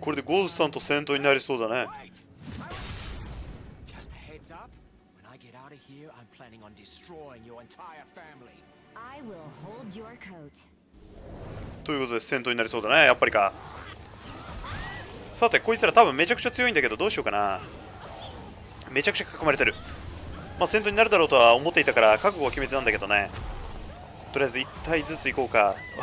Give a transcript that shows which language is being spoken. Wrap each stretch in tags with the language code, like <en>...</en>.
<ja>これでゴーズさんと戦闘になりそうだね。</ja> <en>Just a heads up. When I get out of here, I'm planning on destroying your entire family. I will hold your coat.</en> <ja>ということで戦闘になりそうだね、やっぱりか。さて、こいつら多分めちゃくちゃ強いんだけど、どうしようかな。めちゃくちゃ囲まれてる。まあ戦闘になるだろうとは思っていたから覚悟は決めてたんだけどね。とりあえず1体ずつ行こうか。</ja>